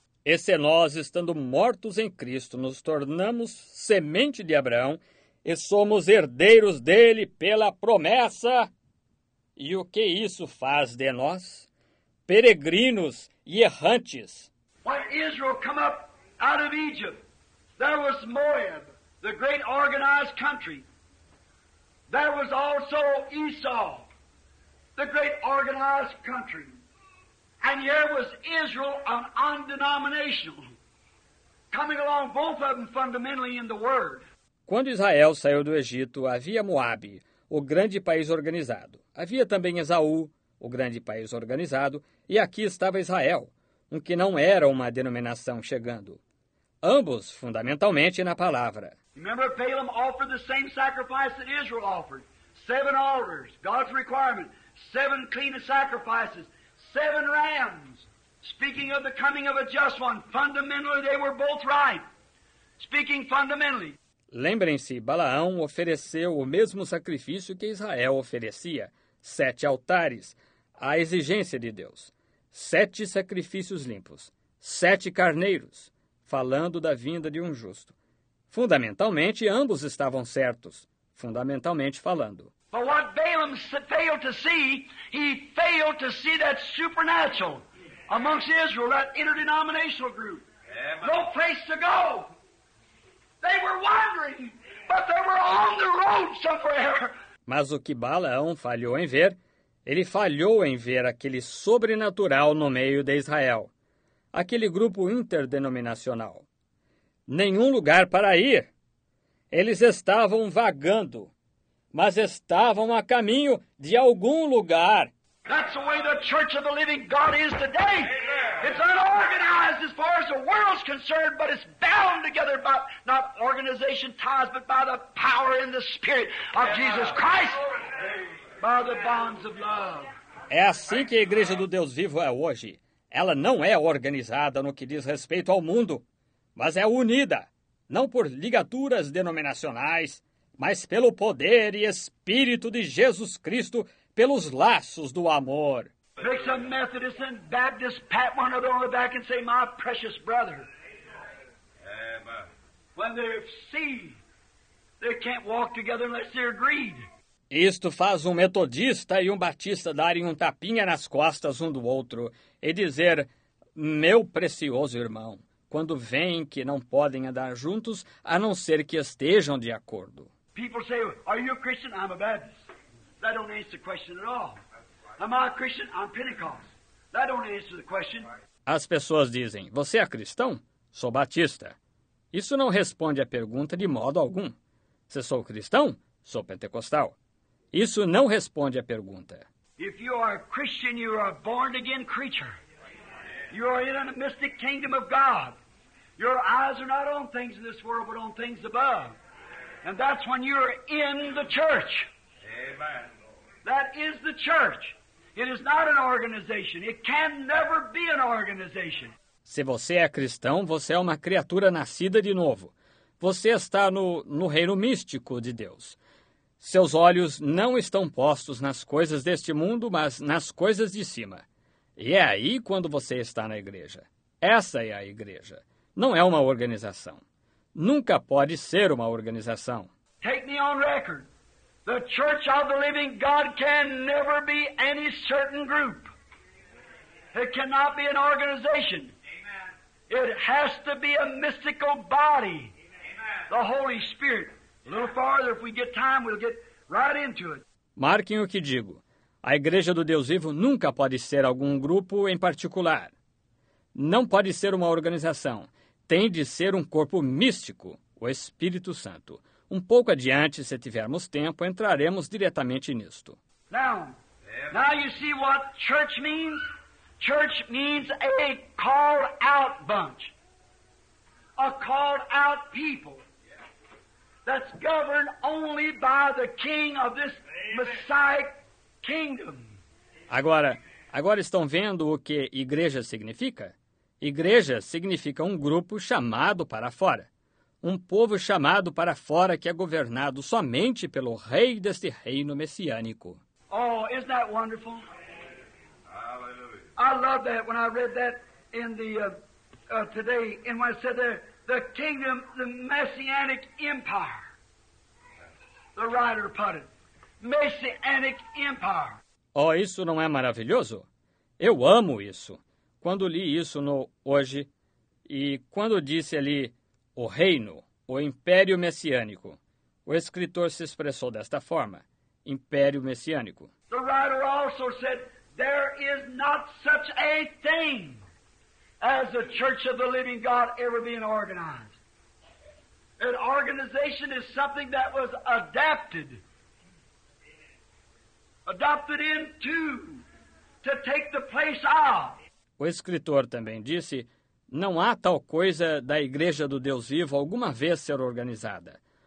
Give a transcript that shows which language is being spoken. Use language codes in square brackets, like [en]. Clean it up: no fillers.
[pt] E se nós, estando mortos em Cristo, nos tornamos semente de Abraão e somos herdeiros dele pela promessa, e o que isso faz de nós? Peregrinos e errantes. [en] When Israel come up out of Egypt, there was Moab, the great organized country. There was also Esau, the great organized country. And here was Israel, an undenominational, coming along, both of them fundamentally in the Word. [pt] Quando Israel saiu do Egito, havia Moab, o grande país organizado. Havia também Esaú, o grande país organizado, e aqui estava Israel, um que não era uma denominação chegando. Ambos, fundamentalmente, na palavra. [en] Remember, Balaam offered the same sacrifice that Israel offered. Seven altars, God's requirement. Seven clean sacrifices. Seven rams. Speaking of the coming of a just one. Fundamentally, they were both right. Speaking fundamentally. [pt] Lembrem-se, Balaão ofereceu o mesmo sacrifício que Israel oferecia. Sete altares, à exigência de Deus. Sete sacrifícios limpos, sete carneiros, falando da vinda de um justo. Fundamentalmente, ambos estavam certos, fundamentalmente falando. [en] But what Balaam failed to see, he failed to see that supernatural amongst Israel, that interdenominational group. No place to go. They were wandering, but they were on the road somewhere. [pt] Mas o que Balaão falhou em ver, ele falhou em ver aquele sobrenatural no meio de Israel, aquele grupo interdenominacional. Nenhum lugar para ir. Eles estavam vagando, mas estavam a caminho de algum lugar. [en] That's the way the Church of the Living God is today. It's unorganized as far as the world's concerned, but it's bound together by not organization ties, but by the power and the Spirit of Jesus Christ. By the bonds of love. [pt] É assim que a Igreja do Deus Vivo é hoje. Ela não é organizada no que diz respeito ao mundo, mas é unida, não por ligaduras denominacionais, mas pelo poder e Espírito de Jesus Cristo, pelos laços do amor. [en] Make some Methodist and Baptist pat one another on the back and say, my precious brother. When they see, they can't walk together unless they're agreed. [pt] Isto faz um metodista e um batista darem um tapinha nas costas um do outro e dizer, meu precioso irmão, quando veem que não podem andar juntos, a não ser que estejam de acordo. [en] People say, are you a Christian? I'm a Baptist. That don't answer the question at all. Am I a Christian? I'm Pentecost. That don't answer the question. [pt] As pessoas dizem, você é cristão? Sou batista. Isso não responde à pergunta de modo algum. Se sou cristão? Sou pentecostal. Isso não responde à pergunta. [en] If you are a Christian, you are a born-again creature. You are in a mystic kingdom of God. Your eyes are not on things in this world, but on things above. And that's when you're in the church. Amen. That is the church. It is not an organization. It can never be an organization. [pt] Se você é cristão, você é uma criatura nascida de novo. Você está no reino místico de Deus. Seus olhos não estão postos nas coisas deste mundo, mas nas coisas de cima. E é aí quando você está na igreja. Essa é a igreja. Não é uma organização. Nunca pode ser uma organização. [en] Take me on record. The Church of the Living God can never be any certain group. It cannot be an organization. It has to be a mystical body. The Holy Spirit. A little farther, if we get time, we'll get right into it. [pt] Marquem o que digo. A Igreja do Deus Vivo nunca pode ser algum grupo em particular. Não pode ser uma organização. Tem de ser um corpo místico, o Espírito Santo. Um pouco adiante, se tivermos tempo, entraremos diretamente nisto. [en] Now you see what church means? Church means a called out bunch. A called out people. That's governed only by the king of this Messiah kingdom. [pt] Agora estão vendo o que igreja significa? Igreja significa um grupo chamado para fora. Um povo chamado para fora que é governado somente pelo rei deste reino messiânico. [en] Oh, isn't that wonderful? Hallelujah. I love that when I read that in the today, and when I said there, the kingdom, the messianic empire. The writer put it. Messianic empire. [pt] Oh, isso não é maravilhoso? Eu amo isso. Quando li isso no Hoje, e quando disse ali o reino, o império messiânico, o escritor se expressou desta forma, império messiânico. [en] The writer also said, there is not such a thing as the Church of the Living God ever being organized. An organization is something that was adapted into, to take the place of. [pt] O escritor também disse, não há tal coisa da Igreja do Deus Vivo alguma vez ser organizada.